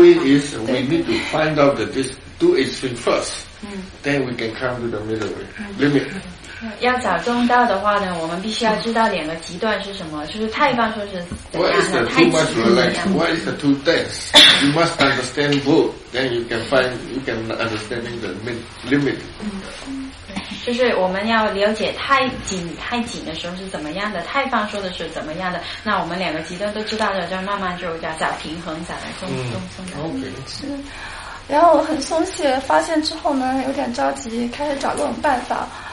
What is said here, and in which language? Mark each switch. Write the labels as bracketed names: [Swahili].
[English] way is we need to find out that this two extreme first. Then we can come to the middle way. Limit. [Chinese] 要找中道的话呢，我们必须要知道两个极端是什么，就是太放松是怎样的，太极端怎样。 [English] What is the too dense? You must understand both. Then you can find, you can understanding the limit. [Chinese] 就是我们要了解太紧的时候是怎么样的，太放松的时候怎么样的。那我们两个极端都知道了，就慢慢就要找平衡，找来松。是。然后我很松懈，发现之后呢，有点着急，开始找各种办法。